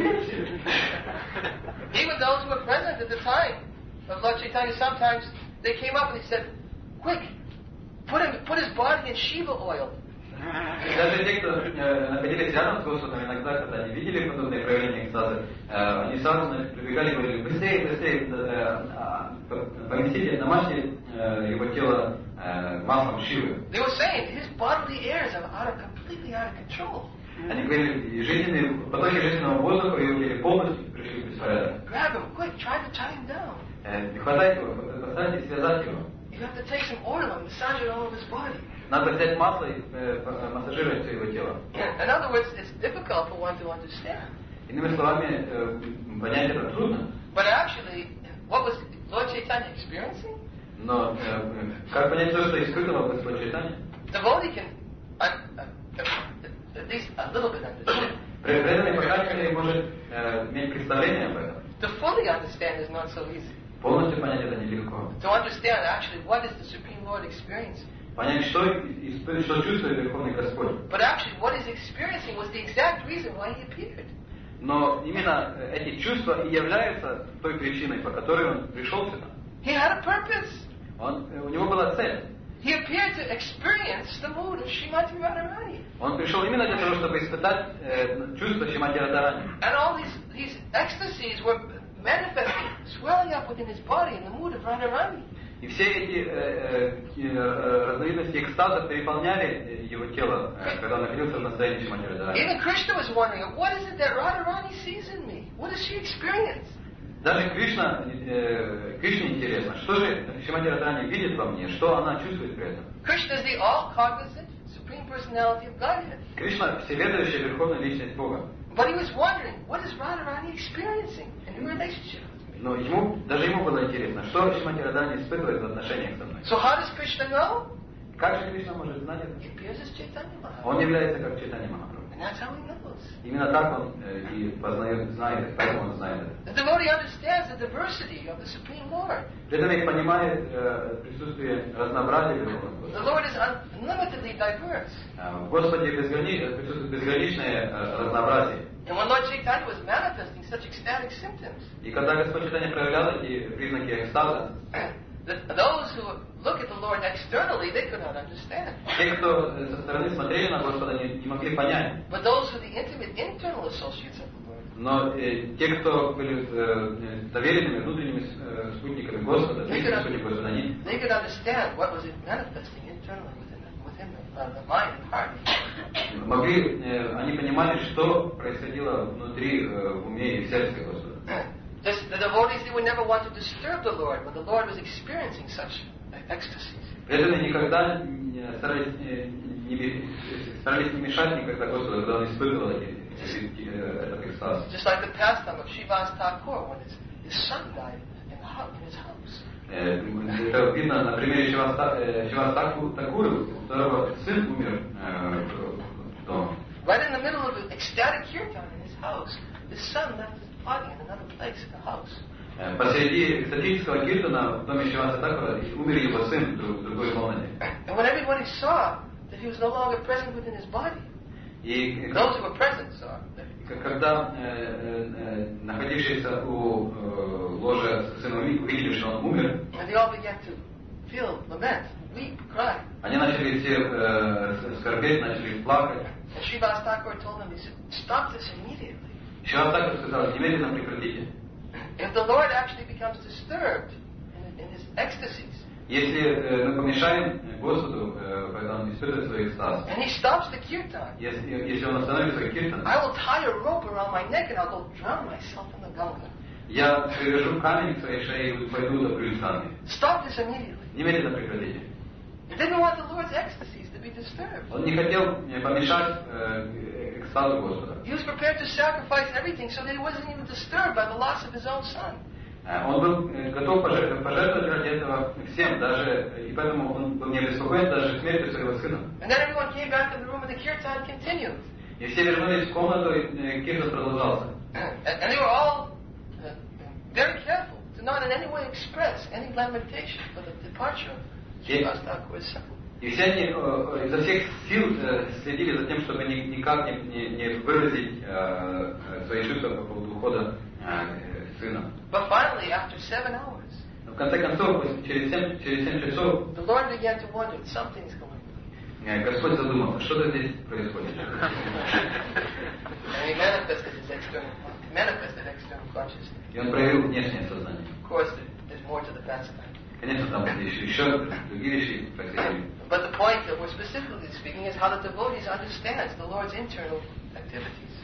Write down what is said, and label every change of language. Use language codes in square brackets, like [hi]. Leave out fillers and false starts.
[en] Even those who were present at the time of Lord Chaitanya, sometimes they came up and they said, "Quick, put his body in Shiva oil." [ru] Даже те, кто находились рядом с Господом, иногда, когда они видели подобные проявления экстаза, они сразу прибегали и говорили, быстрее, поместите, намажьте его тело маслом Шивы. [en] They were saying, his bodily airs are completely out of control. [ru] Они говорили, жизненные потоки жизненного воздуха его были полностью пришли в беспорядок. [en] Grab him, quick, try to tie him down. [ru] Не хватайте его, поставьте, связать его. [en] You have to take some oil and massage it all over his body. [ru] Надо взять масло и массажировать все его тело. [en] In other words, it's difficult for one to understand. [ru] Иными словами, понять это трудно. [en] But actually, what was Lord Chaitanya experiencing? [ru] Но как понять то, что испытывал Господь Чайтанья? [en] Devotee can at least a little bit understand. [ru] Преданный практикант может иметь представление об этом. [en] To fully understand is not so easy. [ru] Полностью понять это нелегко. [en] To understand actually what is the Supreme Lord experiencing? [ru] Понять, что чувствует Верховный Господь. [en] But actually, what he's experiencing was the exact reason why he appeared. [ru] Но именно эти чувства и являются той причиной, по которой он пришел сюда. [en] He had a purpose. [ru] У него была цель. [en] He appeared to experience the mood of Srimati Radharani. [ru] Он пришел именно для того, чтобы испытать чувства Шримати Радхарани. [en] And all these ecstasies were manifesting, swelling up within his body in the mood of Radharani. [ru] И все эти разновидности экстаза переполняли его тело, когда он находился в настоянии Шримати Радхарани. [en] Even Krishna was wondering, what is it that Radharani sees in me? What does she experience? [ru] Даже Кришне интересно, что же Шримати Радхарани видит во мне, что она чувствует при этом? [en] Krishna is the all-cognizant supreme personality of Godhead. [ru] Кришна – всеведущая верховная личность Бога. [en] But he was wondering, what is Radharani experiencing in her relationship? [ru] Но ему было интересно, что Шримати Радхарани испытывает в отношениях со мной. [en] So how does Krishna know? [ru] Как же Кришна может знать это? [en] He appears as Chaitanya Mahaprabhu. [ru] Он является как Чайтанья Махапрабху. [en] And that's how he knows. [ru] Именно так он и знает, поэтому он знает это. [en] The devotee understands the diversity of the Supreme Lord. [ru] Преданный понимает присутствие разнообразия Верховного Господа. [en] The Lord is unlimitedly diverse. [ru] Господи присутствует безграничное разнообразие. [en] And when Lord Chaitanya was manifesting such ecstatic symptoms, [ru] и когда Господь Чайтанья проявлял эти признаки экстаза, [en] those who look at the Lord externally, they could not understand. [ru] Те, кто со стороны смотрели на Господа, не могли понять. [en] But those who are the intimate internal associates of the Lord. [ru] Но те, кто были доверенными внутренними спутниками Господа, [en] they could understand what was it manifesting internally within the mind and heart. [ru] могли, они понимали, что происходило внутри в уме и в сердце Господа. [en] The devotees, they would never want to disturb the Lord when the Lord was experiencing such ecstasies. [ru] Преданные никогда старались не мешать, никогда Господу, когда он испытывал этот экстаз. [en] Just like the pastime of Shivas Thakur when his son died in his house. [ru] Это видно на примере Шиваса Такуру, у которого сын умер дома. [en] Right in the middle of an ecstatic kirtan in his house, his son left his body in another place in the house. [ru] Посреди экстатического кирдана в доме Шиваса Такура умер его сын в другой комнате. [en] And when everybody saw that he was no longer present within his body, those who were present saw. [ru] Когда находившиеся у ложа сына увидели, что он умер, они начали все скорбеть, начали плакать. [en] Шивас Такур told them, he said, stop this immediately. [ru] Шивас Такур сказал, немедленно прекратите. [en] If the Lord actually becomes disturbed in his ecstasies, [ru] если мы помешаем Господу, когда он испытывает свой экстаз, [en] and he stops the kirtan, [ru] если он остановится киртан, [en] I will tie a rope around my neck and I will drown myself in the Ganga. [ru] Я привяжу камень к своей шее и пойду за Прилюсанды. [en] Stop this immediately. [ru] Немедленно прекратите. [en] He didn't want the Lord's ecstasies to be disturbed. [ru] Он не хотел помешать экстазу Господа. [en] He was prepared to sacrifice everything so that he wasn't even disturbed by the loss of his own son. [ru] Он был готов пожертвовать ради этого всем, даже и поэтому он был не обеспокоен даже смертью своего сына. [en] And then everyone came back to the room and the kirtan continued. [ru] И все вернулись в комнату, и кирта продолжался. [en] And they were all very careful to not in any way express any lamentation for the departure of Shivas Thakur's son. [ru] И все они изо всех сил следили за тем, чтобы никак не выразить свои чувства по поводу ухода сына. [en] But finally, after 7 hours, [ru] в конце концов, через 7 часов, [en] the Lord began to wonder, something's going on. [ru] Господь задумался, что-то здесь происходит. [en] And he manifested his external consciousness. [ru] И он проявил внешнее сознание. [en] Of course, there's more to the pastime. [ru] Конечно, там еще другие вещи происходили. [en] But the point that we're specifically speaking is how the devotees understand the Lord's internal activities.